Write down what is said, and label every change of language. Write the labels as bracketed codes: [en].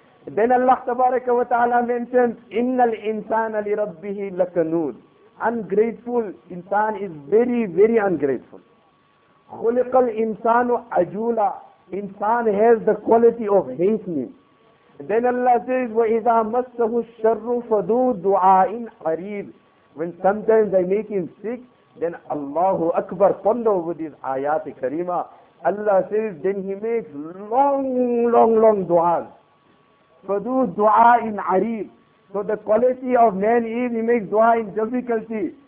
[en] Then Allah tabaraka wa ta'ala mentions, [ar] إِنَّ الْإِنسَانَ لِرَبِّهِ لَكَنُودٌ. [en] Ungrateful insan is very, very ungrateful. [ar] خُلِقَ الْإِنسَانُ عَجُولًا. [en] Insan has the quality of hastening. Then Allah says, [ar] وَإِذَا مَسَّهُ الشَّرُّ فَذُو دُعَاءٍ عَرِيدٍ. [en] When sometimes I make him sick, then Allahu Akbar, ponder over this ayat kareema. Allah says, then he makes long du'as. Fadu du'a in arif. So the quality of man is, he makes du'a in difficulty.